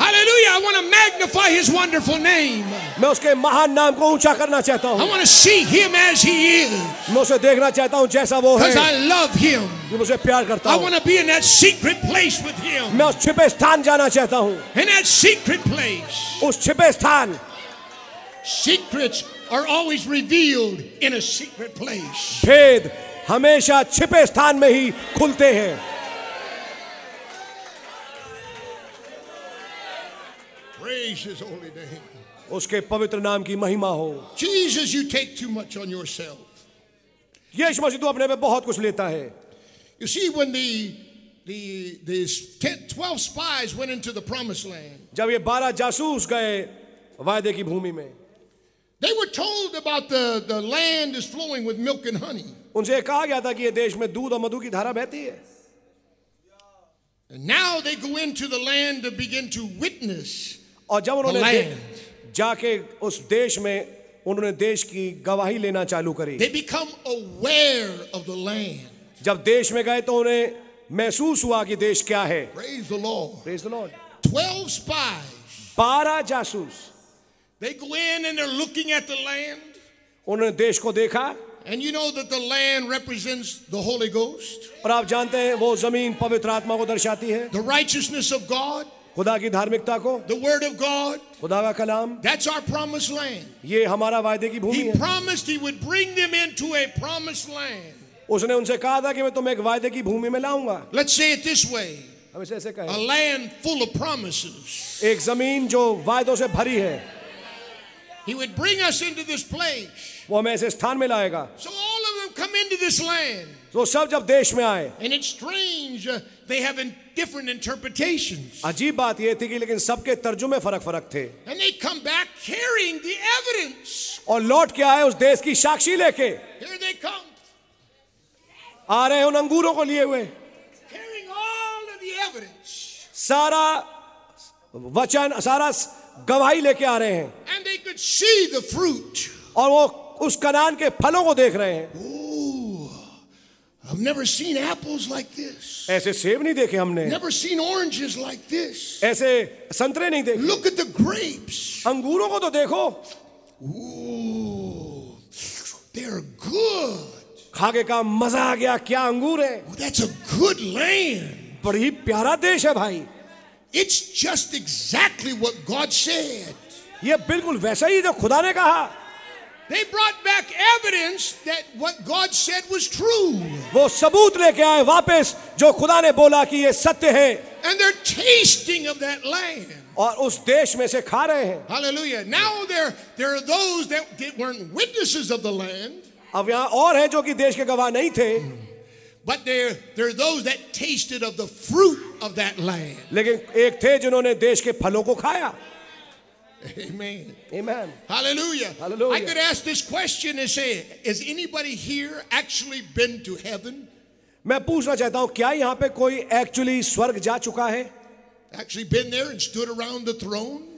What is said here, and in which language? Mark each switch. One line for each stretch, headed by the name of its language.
English: Hallelujah! I want to magnify his wonderful name.
Hindi: मैं उसके महान नाम को ऊंचा करना चाहता हूँ.
English: I want to see him as he is.
Hindi: मैं उसे देखना चाहता हूँ जैसा वो है.
English: Because I love him.
Hindi: मुझे प्यार करता हूँ.
English: I want to be in that secret place with him.
Hindi: मैं उस छिपे स्थान जाना चाहता हूँ.
English: In that secret place.
Hindi: उस छिपे स्थान.
English: Secrets are always revealed in a secret place.
Hindi: भेद हमेशा छिपे स्थान में ही खुलते हैं.
English: Praise his holy name.
Hindi: उसके पवित्र नाम की महिमा हो.
English: Jesus, you take too much on yourself.
Hindi: यीशु मसीह तो अपने में बहुत कुछ लेता है.
English: You see, when the 12 spies went into the promised land.
Hindi: जब ये 12 जासूस गए वायदे की भूमि में.
English: They were told about the land is flowing with milk and honey.
Hindi: उनसे कहा गया था कि ये देश में दूध और मधु की धारा बहती है.
English: And now they go into the land to begin to witness.
Hindi: और जब उन्होंने जाके उस देश में उन्होंने देश की गवाही लेना चालू करी.
English: They become aware of the land.
Hindi: जब देश में गए तो उन्हें महसूस हुआ कि देश क्या है.
English: Praise the Lord. Praise the Lord. 12 spies.
Hindi: 12 जासूस.
English: They go in and they're looking at the land.
Hindi: उन्होंने देश को देखा.
English: And you know that the land represents the Holy Ghost.
Hindi: और आप जानते हैं वो जमीन पवित्र आत्मा को दर्शाती है.
English: The righteousness of God.
Hindi: खुदा की धार्मिकता को.
English: The word of God.
Hindi: खुदा का कलाम.
English: That's our promised land.
Hindi: ये हमारा वायदे की भूमि है.
English: He promised he would bring them into a promised land.
Hindi: उसने उनसे कहा था कि मैं तुम्हें एक वायदे की भूमि में लाऊंगा.
English: Let's say it this way.
Hindi: हम इसे ऐसे कहें.
English: A land full of promises.
Hindi: एक जमीन जो वायदों से भरी है.
English: He would bring us into this place.
Hindi: वो हमें ऐसे स्थान में लाएगा.
English: So all of them come into this land.
Hindi: तो सब जब देश में आए.
English: And it's strange, they have different interpretations.
Hindi: अजीब बात ये थी कि लेकिन सबके तर्जुमे फरक-फरक थे.
English: And they come back carrying the evidence.
Hindi: और लौट के आए उस देश की साक्षी लेके.
English: Here they come.
Hindi: आ रहे उन अंगूरों को लिए हुए.
English: Carrying all of the evidence.
Hindi: सारा वचन सारा गवाही लेके आ रहे हैं.
English: And they could see the fruit.
Hindi: और वो उस कनान के फलों को देख रहे हैं.
English: Ooh, I've never seen apples like this.
Hindi: ऐसे सेब नहीं देखे हमने.
English: Never seen oranges like this.
Hindi: ऐसे संतरे नहीं देखे.
English: Look at the grapes.
Hindi: अंगूरों को तो देखो.
English: Ooh, they're good.
Hindi: खाके का मजा आ गया. क्या अंगूर है.
English: Well, that's a good land.
Hindi: बड़ी प्यारा देश है भाई.
English: It's just exactly what God said.
Hindi: ये बिल्कुल वैसा ही जो खुदा ने कहा.
English: They brought back evidence that what God said was true.
Hindi: वो सबूत लेके आए वापस जो खुदा ने बोला कि ये सत्य है.
English: And they're tasting of that land.
Hindi: और उस देश में से खा रहे हैं.
English: Hallelujah. Now there are those that weren't witnesses of the land.
Hindi: अब यहाँ और हैं जो कि देश के गवाह नहीं थे.
English: But there are those that tasted of the fruit of that land.
Hindi: लेकिन एक थे जिन्होंने देश के फलों को खाया.
English: Amen. Amen. Hallelujah. Hallelujah. I could ask this question and say, has anybody here actually been to heaven?
Hindi: मैं पूछना चाहता हूँ क्या यहाँ पे कोई
English: actually
Hindi: स्वर्ग जा चुका है?
English: Actually been there and stood around the throne?